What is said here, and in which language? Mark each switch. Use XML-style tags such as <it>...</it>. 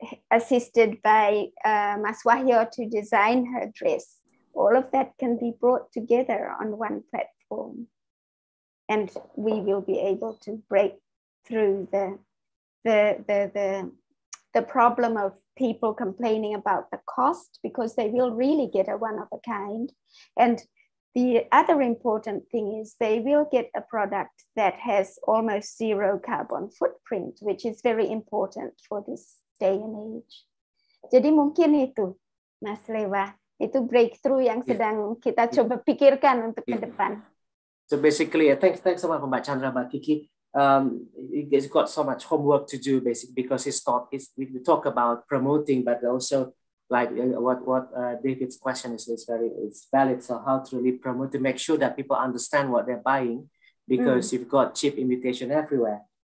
<en>assisted by Mas Wahyo to design her dress, all of that can be brought together on one platform, and we will be able to break through the problem of people complaining about the cost, because they will really get a one of a kind. And the other important thing is they will get a product that has almost zero carbon footprint, which is very important for this day and age.</en> <id>Jadi mungkin itu, Mas Lewa, itu breakthrough yang sedang kita coba pikirkan untuk ke depan.</id> <en>So basically, thanks so much, Mbak Chandra, Mbak Kiki. It's got so much homework to do, basically, because we talk about promoting, but also like David's question is valid. So how to really promote to make sure that people understand what they're buying, because you've got cheap imitation everywhere.</en>